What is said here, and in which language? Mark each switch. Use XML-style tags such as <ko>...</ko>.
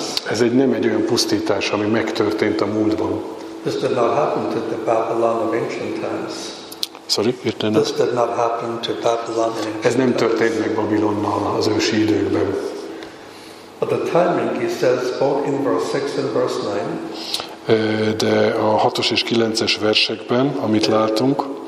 <hu>Ez egy nem egy olyan pusztítás, ami megtörtént a múltban.</hu> <en>This did not happen to the Babylon of ancient times. This did not happen to Babylon in ancient times.</en> <hu>Ez nem történt meg Babilonnal az ősi időkben.</hu> <en>But the timing, he says, both in verse 6 and verse 9.</en> <hu>De a 6-os és 9-es versekben, amit látunk,</hu>